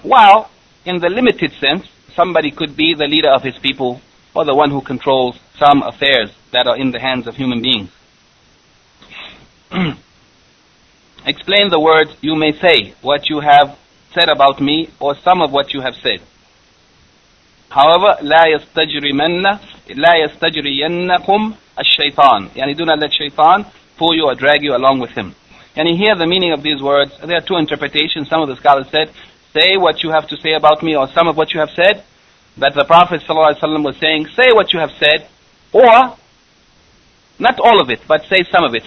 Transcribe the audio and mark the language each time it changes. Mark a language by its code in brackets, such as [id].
[en] While in the limited sense, somebody could be the leader of his people or the one who controls some affairs that are in the hands of human beings. Explain the words, you may say what you have said about me, or some of what you have said. However, [ar] لا يستجرينكم الشيطان. [en] يعني do not let shaitan pull you or drag you along with him. And you hear the meaning of these words, there are two interpretations. Some of the scholars said, say what you have to say about me, or some of what you have said. That the Prophet ﷺ was saying, say what you have said, or not all of it, but say some of it.